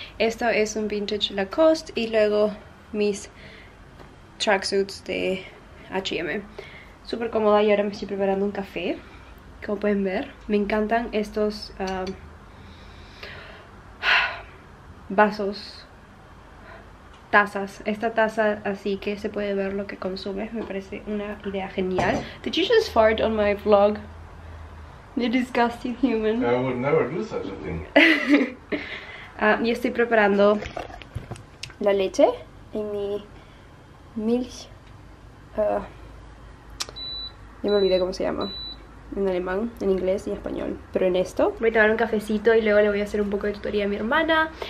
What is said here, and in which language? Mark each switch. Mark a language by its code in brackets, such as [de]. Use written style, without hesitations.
[es] Esto es un vintage Lacoste. Y luego mis tracksuits de H&M. Súper cómoda. Y ahora me estoy preparando un café. Como pueden ver, me encantan estos vasos, tazas. Esta taza así que se puede ver lo que consumes. Me parece una idea genial. [en] Did you just fart on my vlog? You disgusting human. I would never do such a thing. [es] Y estoy preparando la leche en mi milch. Ya me olvidé cómo se llama. En alemán, en inglés y en español. Pero en esto voy a tomar un cafecito y luego le voy a hacer un poco de tutoría a mi hermana.